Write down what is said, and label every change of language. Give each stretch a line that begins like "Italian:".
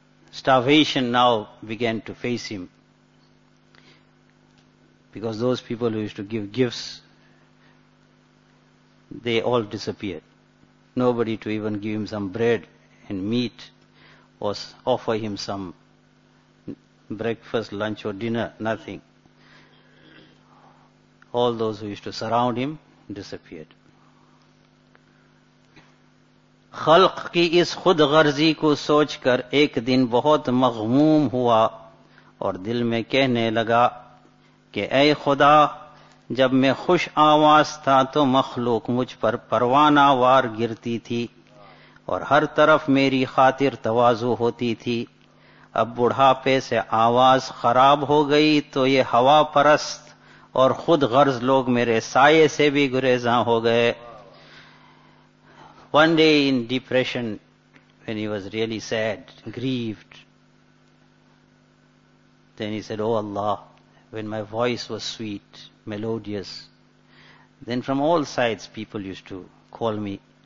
English: Starvation now began to face him, because those people who used to give gifts, they all disappeared. Nobody to even give him some bread and meat or offer him some breakfast, lunch or dinner, nothing. All those who used to surround him disappeared.
Urdu: خلق کی اس خود غرضی کو سوچ کر ایک دن بہت مغموم ہوا اور دل میں کہنے لگا کہ اے خدا جب میں خوش آواز تھا تو مخلوق مجھ پر پروانہ وار گرتی تھی اور ہر طرف میری خاطر تواضع ہوتی تھی اب بڑھاپے سے آواز خراب ہو گئی تو یہ ہوا پرست اور خود غرض لوگ میرے سائے سے بھی گریزاں ہو گئے.
English: One day in depression, when he was really sad, grieved, then he said, "Oh Allah, when my voice was sweet, melodious, then from all sides people used to call me.